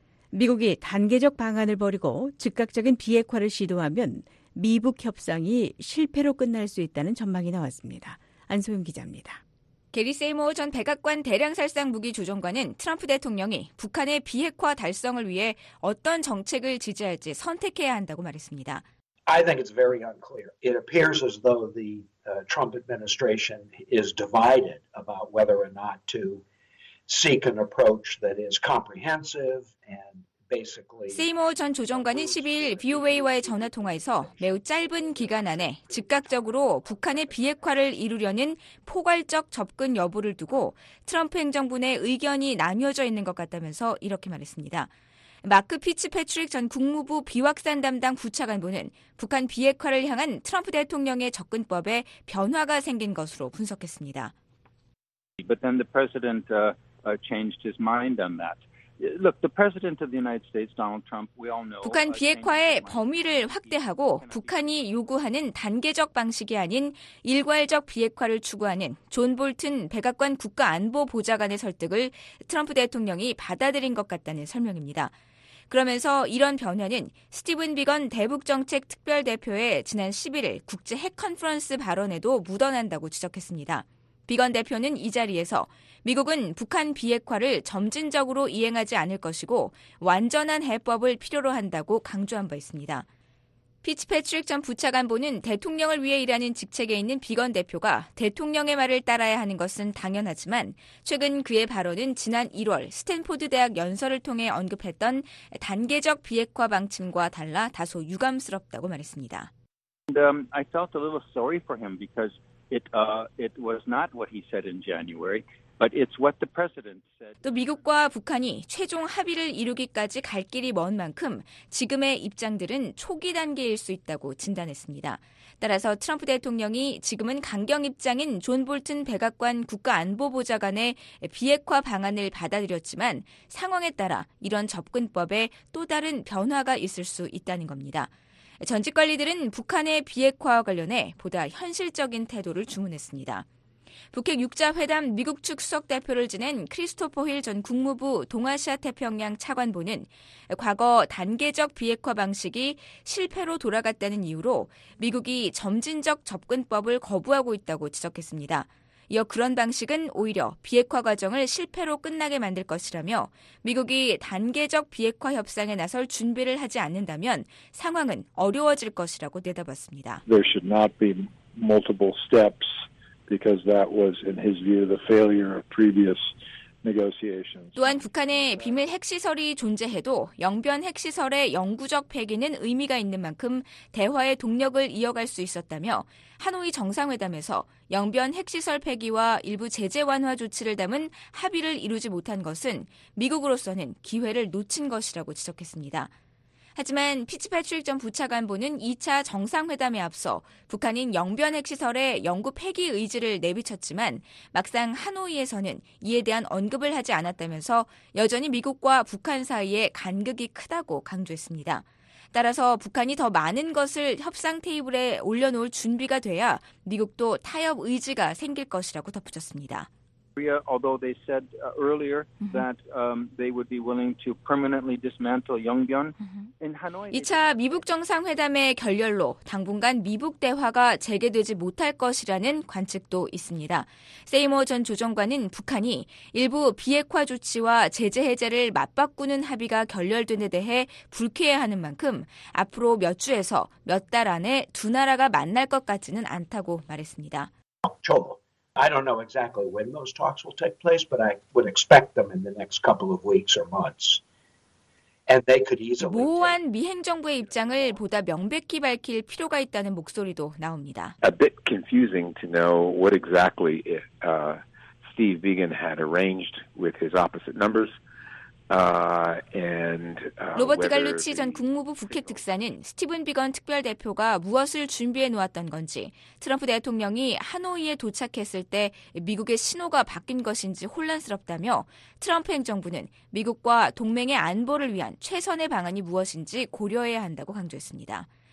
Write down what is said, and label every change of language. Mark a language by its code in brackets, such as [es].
[ko] 미국이 단계적 방안을 버리고 즉각적인 비핵화를 시도하면 미북 협상이 실패로 끝날 수 있다는 전망이 나왔습니다. 안소영 기자입니다. 게리 세이모 전 백악관 대량살상 무기 조정관은 트럼프 대통령이 북한의 비핵화 달성을 위해 어떤 정책을 지지할지 선택해야 한다고 말했습니다. [en] I think it's very unclear. It appears as though the Trump administration is divided about whether or not to seek an approach that is comprehensive and basically. [ko] 세이모 전 조정관은 12일 VOA와의 전화 통화에서 매우 짧은 기간 안에 즉각적으로 북한의 비핵화를 이루려는 포괄적 접근 여부를 두고 트럼프 행정부 내 의견이 나뉘어져 있는 것 같다면서 이렇게 말했습니다. 마크 피츠패트릭 전 국무부 비확산 담당 부차관보는 북한 비핵화를 향한 트럼프 대통령의 접근법에 변화가 생긴 것으로 분석했습니다. [en] But then the president changed his mind on that. Look, the president of the United States, Donald Trump, we all know. [ko] 북한 비핵화의 범위를 확대하고 북한이 요구하는 단계적 방식이 아닌 일괄적 비핵화를 추구하는 존 볼튼 백악관 국가안보보좌관의 설득을 트럼프 대통령이 받아들인 것 같다는 설명입니다. 그러면서 이런 변화는 스티븐 비건 대북정책특별대표의 지난 11일 국제 핵컨퍼런스 발언에도 묻어난다고 지적했습니다. 비건 대표는 이 자리에서 미국은 북한 비핵화를 점진적으로 이행하지 않을 것이고 완전한 해법을 필요로 한다고 강조한 바 있습니다. 피츠패트릭 전 부차관보는 대통령을 위해 일하는 직책에 있는 비건 대표가 대통령의 말을 따라야 하는 것은 당연하지만 최근 그의 발언은 지난 1월 스탠포드 대학 연설을 통해 언급했던 단계적 비핵화 방침과 달라 다소 유감스럽다고 말했습니다. [en] And, I felt a little sorry for him because It was not what he said in January, but it's what the president said. [ko] 또 미국과 북한이 최종 합의를 이루기까지 갈 길이 먼 만큼 지금의 입장들은 초기 단계일 수 있다고 진단했습니다. 따라서 트럼프 대통령이 지금은 강경 입장인 존 볼튼 백악관 국가안보보좌관의 비핵화 방안을 받아들였지만 상황에 따라 이런 접근법에 또 다른 변화가 있을 수 있다는 겁니다. 전직 관리들은 북한의 비핵화와 관련해 보다 현실적인 태도를 주문했습니다. 북핵 6자 회담 미국 측 수석 대표를 지낸 크리스토퍼 힐 전 국무부 동아시아 태평양 차관보는 과거 단계적 비핵화 방식이 실패로 돌아갔다는 이유로 미국이 점진적 접근법을 거부하고 있다고 지적했습니다. 이어 그런 방식은 오히려 비핵화 과정을 실패로 끝나게 만들 것이라며 미국이 단계적 비핵화 협상에 나설 준비를 하지 않는다면 상황은 어려워질 것이라고 내다봤습니다. [en] There should not be multiple steps because that was, in his view, the failure of previous [ko] 또한 북한에 비밀 핵시설이 존재해도 영변 핵시설의 영구적 폐기는 의미가 있는 만큼 대화의 동력을 이어갈 수 있었다며 하노이 정상회담에서 영변 핵시설 폐기와 일부 제재 완화 조치를 담은 합의를 이루지 못한 것은 미국으로서는 기회를 놓친 것이라고 지적했습니다. 하지만 피치패트릭 전 부차관보는 2차 정상회담에 앞서 북한인 영변 핵시설의 영구 폐기 의지를 내비쳤지만 막상 하노이에서는 이에 대한 언급을 하지 않았다면서 여전히 미국과 북한 사이의 간극이 크다고 강조했습니다. 따라서 북한이 더 많은 것을 협상 테이블에 올려놓을 준비가 돼야 미국도 타협 의지가 생길 것이라고 덧붙였습니다. [en] Although they said earlier that they would be willing to permanently dismantle Yongbyon in Hanoi. [ko] 2차 미북 정상회담의 결렬로 당분간 미북 대화가 재개되지 못할 것이라는 관측도 있습니다. 세이머 전 조정관은 북한이 일부 비핵화 조치와 제재 해제를 맞바꾸는 합의가 결렬된 데 대해 불쾌해하는 만큼 앞으로 몇 주에서 몇 달 안에 두 나라가 만날 것 같지는 않다고 말했습니다. [en] I don't know exactly when those talks will take place, but I would expect them in the next couple of weeks or months. And they could easily. [ko] 모호한 미 행정부의 입장을 보다 명백히 밝힐 필요가 있다는 목소리도 나옵니다. [en] A bit confusing to know what exactly Steve Biegun had arranged with his opposite numbers. [ko] 로버트 갈루치 전 국무부 북핵 특사는 스티븐 비건 특별대표가 무엇을 준비해 놓았던 건지 트럼프 대통령이 하노이에 도착했을 때 미국의 신호가 바뀐 것인지 혼란스럽다며 트럼프 행정부는 미국과 동맹의 안보를 위한 최선의 방안이 무엇인지 고려해야 한다고 강조했습니다.